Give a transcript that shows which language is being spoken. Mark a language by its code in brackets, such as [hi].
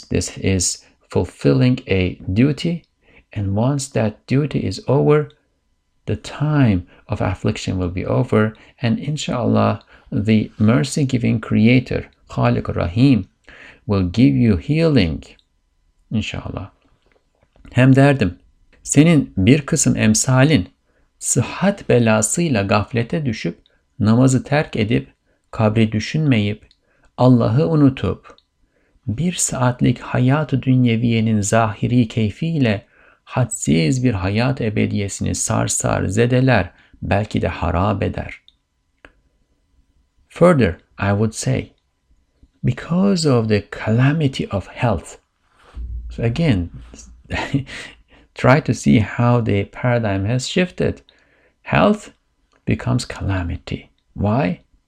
[en] This is fulfilling a duty. And once that duty is over, the time of affliction will be over. And inshallah, the mercy-giving Creator, Khaliq Rahim, will give you healing, inshallah. [tr] Hem derdim, senin bir kısım emsalin sıhhat belasıyla gaflete düşüp, namazı terk edip, kabri düşünmeyip, Allah'ı unutup, bir saatlik hayat-ı dünyeviyenin zahiri keyfiyle hadsiz bir hayat ebediyesini sarsar, zedeler, belki de harap eder. [en] Further, I would say, because of the calamity of health, so again, try to see how the paradigm has shifted. Health becomes calamity. Why?